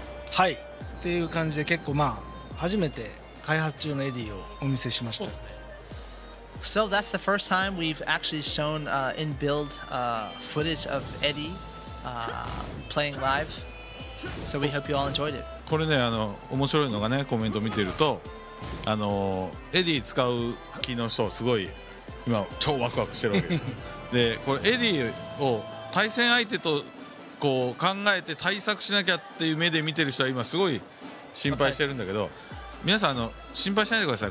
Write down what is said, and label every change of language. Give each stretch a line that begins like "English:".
Japanese: はい、っていう感じで結構まあ初めて開発中のエディをお見せしました。そうですね。
English: So that's the first time we've actually shown in build footage of Eddie playing live. So we hope you all enjoyed it.
Japanese: これね、あの面白いのがね、コメント見てると、あのエディ使う機能人すごい今超ワクワクしてるわけですで、これエディを対戦相手とこう考えて対策しなきゃっていう目で見てる人は今すごい心配してるんだけど、皆さんあの心配しないでください。